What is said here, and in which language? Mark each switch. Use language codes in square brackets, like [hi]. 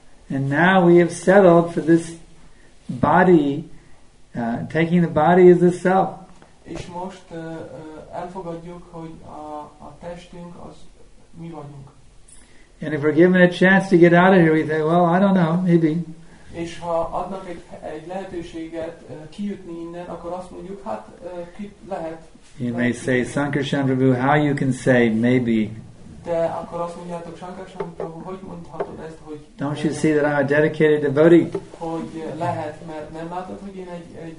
[en] And now we have settled for this body, taking the body as a self. [hu] És most elfogadjuk, hogy a testünk az mi vagyunk. [en] And if we're given a chance to get out of here, we say, well, I don't know, maybe. [hu] És ha adnak egy lehetőséget kijutni innen, akkor azt mondjuk, hát ki lehet. [en] You may say, Sankarsan Prabhu, how you can say, maybe. [hu] De akkor azt mondjátok, Sankarsan Prabhu, hogy mondhatod ezt, hogy... [en] Don't you see that I'm a dedicated devotee? [hu] Hogy lehet, mert nem látod, hogy én egy